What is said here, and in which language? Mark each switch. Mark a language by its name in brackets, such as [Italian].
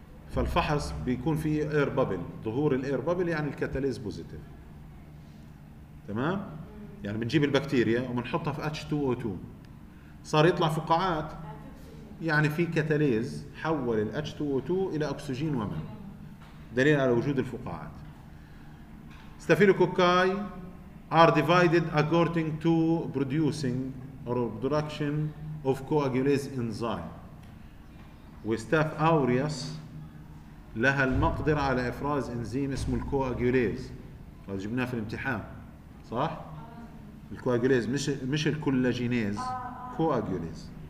[Arabic] فالفحص بيكون فيه air bubble، ظهور ال air bubble يعني الكاتاليز بوزيتيف، تمام؟ يعني بنجيب البكتيريا وبنحطها في H2O2 صار يطلع فقاعات، يعني في كاتاليز حول ال H2O2 إلى أكسجين وماء، دليل على وجود الفقاعات. [English] Staphylococci are divided according to producing or production of coagulase enzyme. [Arabic] وستاف أوريوس لها المقدرة على إفراز إنزيم اسمه الكواجوليز، هذا جبناه في الامتحان صح؟ الكواجوليز مش الكولاجينيز، كواجوليز.